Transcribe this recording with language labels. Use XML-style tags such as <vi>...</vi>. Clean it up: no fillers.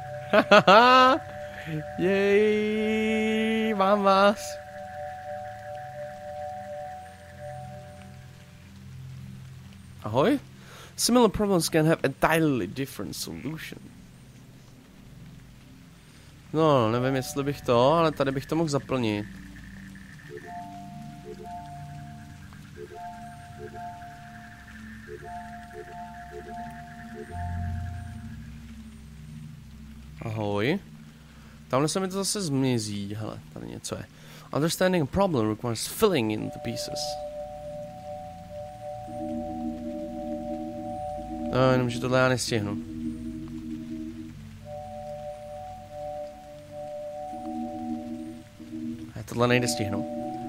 <cs>Hahaha. Jej, mám vás. Ahoj.</cs> <en>Similar problems can have entirely different solution.</en> <cs>No, nevím, jestli bych to, ale tady bych to mohl zaplnit. Ahoj. Tamhle se mi to zase zmizí, hele, tady něco je.</cs> <en>Understanding a problem requires filling in the pieces.</en> <cs>No, jenom, že tohle já nestihnu. A tohle nejde stihnout.</cs>